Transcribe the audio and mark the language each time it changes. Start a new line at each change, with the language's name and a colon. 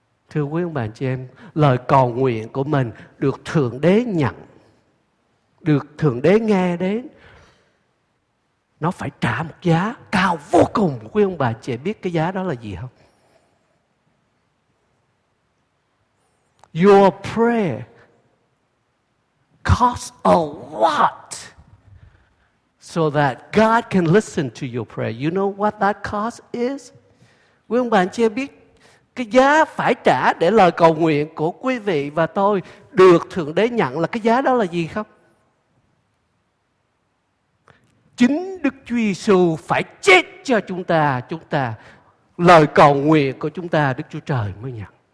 Vietnamese: Thưa quý ông bà anh chị em, lời cầu nguyện của mình được Thượng Đế nhận, được Thượng Đế nghe đến, nó phải trả một giá cao vô cùng. Quý ông bà anh chị em biết cái giá đó là gì không?
English: Your prayer cost a lot so that God can listen to your prayer. You know what that cost is?
Vietnamese: Quý ông bà anh chị em biết cái giá phải trả để lời cầu nguyện của quý vị và tôi được Thượng Đế nhận là cái giá đó là gì không? Chính Đức Chúa Giêsu phải chết cho chúng ta, lời cầu nguyện của chúng ta Đức Chúa Trời mới nhận.